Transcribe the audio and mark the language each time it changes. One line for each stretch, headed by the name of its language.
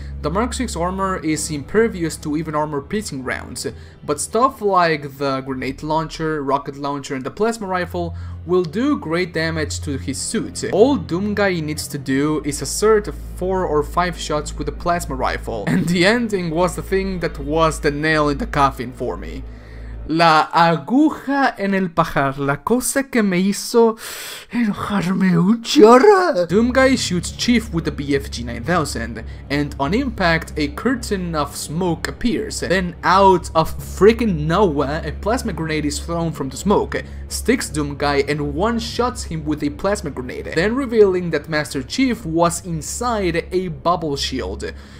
English: The Mark VI armor is impervious to even armor piercing rounds, but stuff like the grenade launcher, rocket launcher, and the plasma rifle will do great damage to his suit. All Doomguy needs to do is assert 4 or 5 shots with a plasma rifle. And the ending was the thing that was the nail in the coffin for me.
Spanish: La aguja en el pajar, la cosa que me hizo enojarme un chorro.
English: Doomguy shoots Chief with the BFG 9000, and on impact, a curtain of smoke appears. Then, out of freaking nowhere, a plasma grenade is thrown from the smoke, sticks Doomguy, and one-shots him with a plasma grenade, then revealing that Master Chief was inside a bubble shield.